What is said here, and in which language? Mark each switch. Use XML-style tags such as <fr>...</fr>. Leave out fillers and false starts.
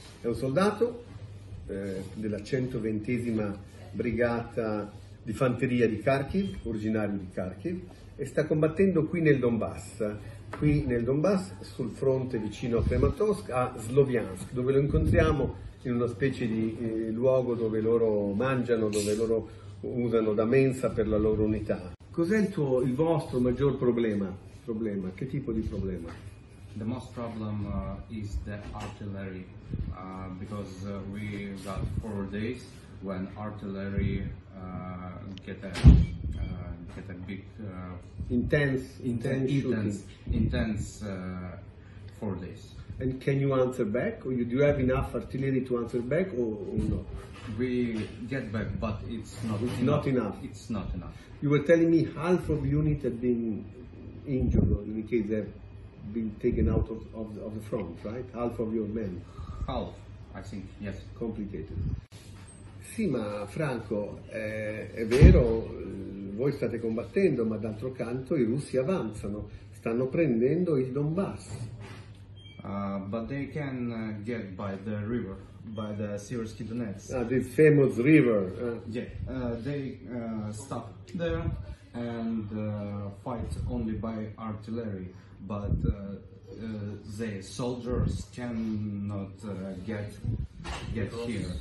<it>È un soldato della 120ª brigata di fanteria di Kharkiv, originario di Kharkiv, e sta combattendo qui nel Donbass, sul fronte vicino a Krematorsk, a Sloviansk, dove lo incontriamo in una specie di luogo dove loro mangiano, dove loro usano da mensa per la loro unità. Cos'è il vostro maggior problema? Problema? Che tipo di problema?</it> <en>The most problem is the artillery because we got 4 days when artillery get a big Intense shooting. intense 4 days. And can you answer back? Or do you have enough artillery to answer back or no? We get back, but It's not enough. it's not enough. You were telling me half of unit had been injured, or in any case they have been taken out of the front, right? Half of your men. Half, I think, yes. Complicated.</en> <it>Sì, ma Franco, è vero. Voi state combattendo, ma d'altro canto i russi avanzano, stanno prendendo il Donbass.</it> <en>But they can get by the river, by the Seversky Donets. Ah, this famous river. They stop there and fight only by artillery, but the soldiers cannot get here.</en>